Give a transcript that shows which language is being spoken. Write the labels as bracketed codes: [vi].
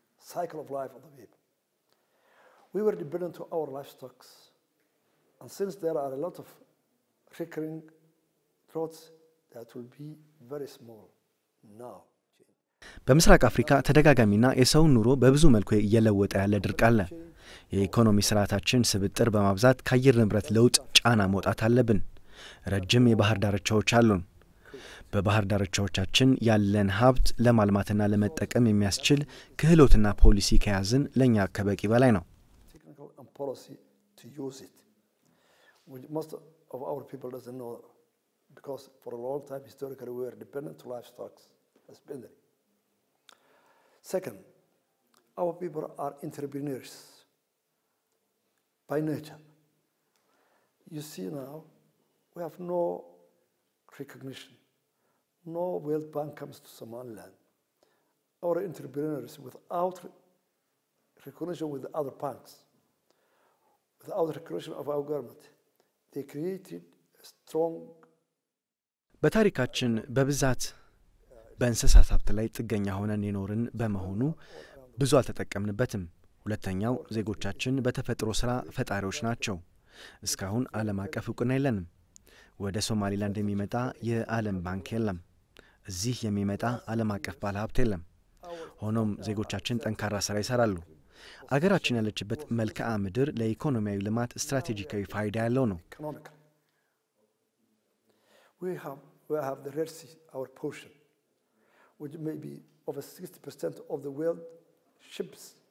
[en] cycle of life of the people we were dependent to our livestock and since there are a lot of recurring droughts that will be very small now [am] በምስራቅ አፍሪካ ተደጋጋሚና የሰው ኑሮ በብዙ መልኩ እየለወጠ ያለ ድርቅ አለ የኢኮኖሚ ስርዓታችን ስብጥር በማብዛት ከአየር ንብረት ለውጥ ጫና መውጣት አለብን ረጅም የባህር ዳርቻዎች አሉ በባህር ዳርቻዎቻችን ያለን ሀብት ለማልማትና ለመጠቀም የሚያስችል ክህሎትና ፖሊሲ ከያዝን ለኛ ከበቂ በላይ ነው [en] technical and policy to use it which most of our people doesn't know because for a long time historically we were dependent to livestock as binary second our people are entrepreneurs by nature you see now we have no recognition No World Bank comes to Somaliland. Our entrepreneurs without recognition with the other banks, without recognition of our government, they created a strong... [am] በታሪካችን በብዛት በእንስሳት ሀብት ላይ ጥገኛ ሆነን የኖርን በመሆኑ ብዙ አልተጠቀምንበትም። ሁለተኛው ዜጎቻችን በተፈጥሮ ስራ ፈጣሪዎች ናቸው። እስካሁን ዓለም አቀፍ እውቅና የለንም። ወደ ሶማሊላንድ የሚመጣ የዓለም ባንክ የለም። ዚህ የሚመጣ ዓለም አቀፍ ባለ ሀብት የለም ሆኖም ዜጎቻችን ጠንካራ ስራ ይሰራሉ አገራችን ያለችበት መልካ ምድር ለኢኮኖሚያዊ ልማት ስትራቴጂካዊ ፋይዳ ያለው ነው [en] we have the red sea our portion which may be over 60% of the world ships